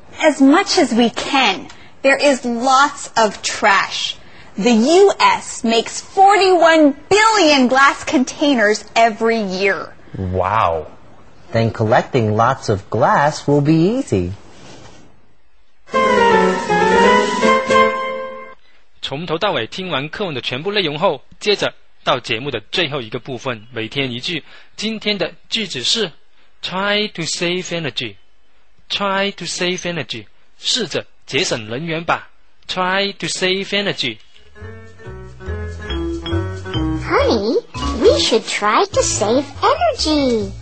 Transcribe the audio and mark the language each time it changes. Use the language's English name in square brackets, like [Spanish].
[English] As much as we can. There is lots of trash. The U.S. makes 41 billion glass containers every year. Wow. Then collecting lots of glass will be easy. [Chinese] 从头到尾听完课文的全部内容后，接着到节目的最后一个部分，每天一句。今天的句子是 [English] try to save energy, try to save energy, [Chinese] 试着节省能源吧。 [English] try to save energy. Honey, we should try to save energy.